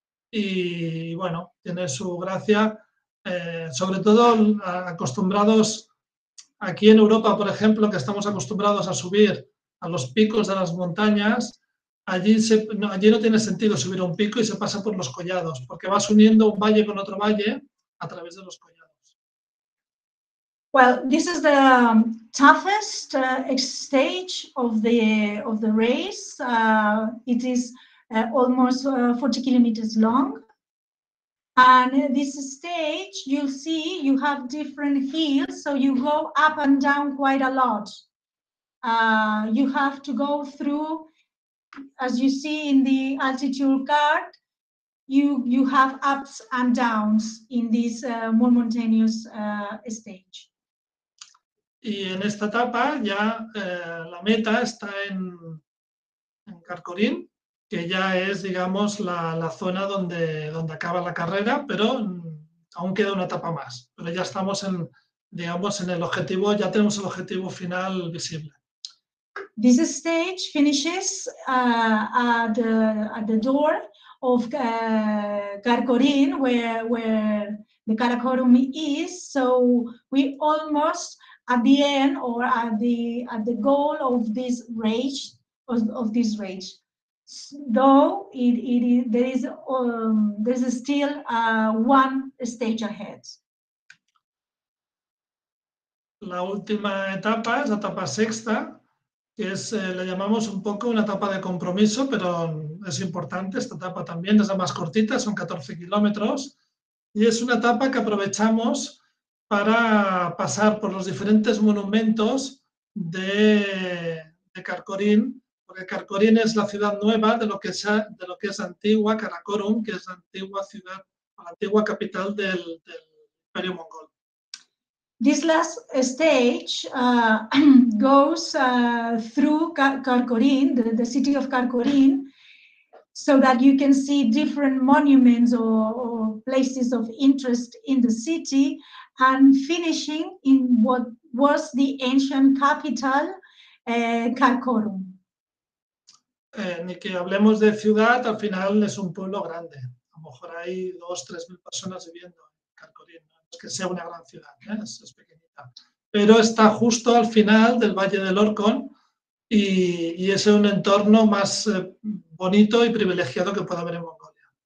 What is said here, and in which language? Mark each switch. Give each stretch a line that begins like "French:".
Spanish: Y bueno, tiene su gracia. Sobre todo acostumbrados aquí en Europa, por ejemplo, que estamos acostumbrados a subir a los picos de las montañas, allí no tiene sentido subir a un pico y se pasa por los collados, porque vas uniendo un valle con otro valle a través de los collados.
English: Well, this is the toughest stage of the race. It is almost 40 kilometers long. And this stage, you'll see you have different hills, so you go up and down quite a lot. You have to go through, as you see in the altitude card, you have ups and downs in this more mountainous stage.
Spanish: Y en esta etapa ya la meta está en Carcorín, que ya es, digamos, la zona donde acaba la carrera, pero aún queda una etapa más. Pero ya estamos en, digamos, en el objetivo, ya tenemos el objetivo final visible.
English: This stage finishes at the door of Karakorum, where the Karakorum is. So we almost at the end or at the goal of this race, Though there is still one stage ahead.
Spanish: La última etapa es la etapa sexta, que es, la llamamos un poco una etapa de compromiso, pero es importante esta etapa también, es la más cortita, son 14 kilómetros, y es una etapa que aprovechamos para pasar por los diferentes monumentos de Karakorum, porque Karakorum es la ciudad nueva de lo que es antigua Karakorum, que es la antigua ciudad, la antigua capital del Imperio Mongol.
English: This last stage goes through Karakorum, the city of Karakorum, so that you can see different monuments or places of interest in the city, and finishing in what was the ancient capital, Karakorum.
Spanish: Ni que hablemos de ciudad, al final es un pueblo grande. A lo mejor hay 2,000-3,000 personas viviendo en Karakorum. Que sea una gran ciudad, ¿eh? Es pequeñita, pero está justo al final del Valle del Orcón y es un entorno más bonito y privilegiado que pueda haber en Mongolia.